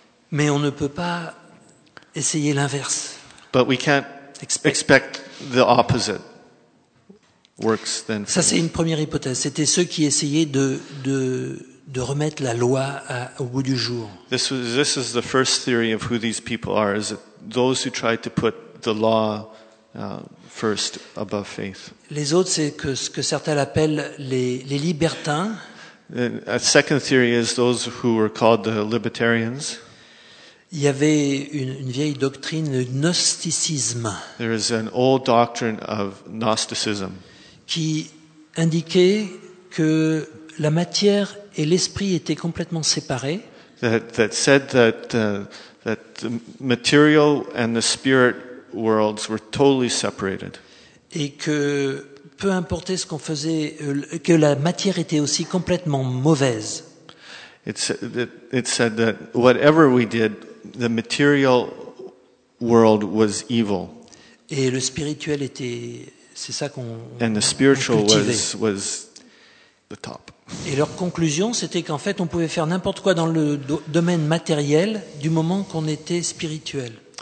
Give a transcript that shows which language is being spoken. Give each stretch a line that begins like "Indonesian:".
French: Mais on ne peut pas essayer l'inverse.
English: But we can't expect the opposite. works than
French: ça, c'est une première hypothèse. C'était ceux qui essayaient de remettre la loi au goût du jour.
English: This is the first theory of who these people are, is that those who tried to put the law first above faith.
French: Les autres, c'est ce que certains appellent les libertins.
English: A second theory is those who were called the libertarians.
French: Il y avait une vieille doctrine, le gnosticisme.
English: There is an old doctrine of Gnosticism.
French: Qui indiquait que la matière et l'esprit étaient complètement séparés.
English: That said that the material and the spirit worlds were totally separated.
French: Et que peu importait ce qu'on faisait, que la matière était aussi complètement mauvaise.
English: It said that whatever we did, the material world was evil.
French: Et le spirituel était, c'est ça qu'on cultivait.
English: And the spiritual was the top.
French: Et leur conclusion, c'était qu'en fait, on pouvait faire n'importe quoi dans le domaine matériel du moment qu'on était spirituel.